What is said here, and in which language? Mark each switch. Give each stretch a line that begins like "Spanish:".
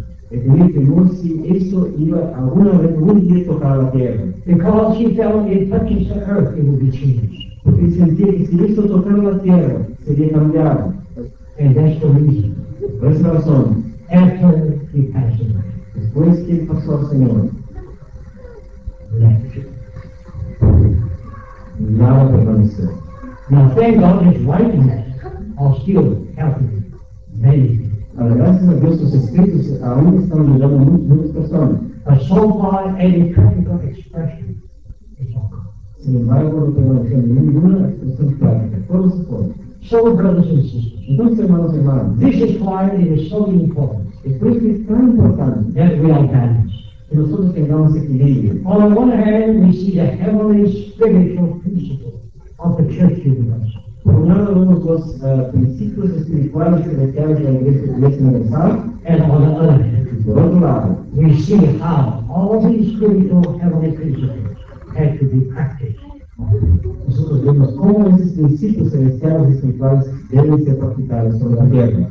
Spanish: Y tenía temor si eso iba alguna vez un día tocar la tierra.
English: Because he felt it touches the earth, it would be changed.
Spanish: Porque sentía que si esto tocara la tierra, sería cambiado.
English: And that's the reason.
Spanish: Por esa razón.
English: After he passed away.
Spanish: Después que pasó al Señor. Nada permaneció.
English: Now thank God his writings are still helping many people.
Spanish: Gracias a Dios, sus escritos aún están ayudando a muchas personas.
English: But so far, any practical expression is all gone.
Spanish: Sin embargo, no tengo la opción de ninguna expresión práctica. Todo se puede.
English: So, brothers and sisters,
Spanish: entonces, hermanos y hermanas,
English: this is why it is so important.
Spanish: Es por eso que es tan importante
English: that we are balanced.
Spanish: Que nosotros tengamos equilibrio.
English: On the one hand, we see the heavenly spiritual principle of the church universe.
Spanish: Por un lado, vemos los principios espirituales celestiales de la iglesia universal.
English: And on the other hand,
Spanish: y por otro lado,
English: we see how all these spiritual heavenly principles had to be practiced.
Spanish: Nosotros vemos cómo esos principios celestiales y espirituales deben ser practicados sobre la tierra.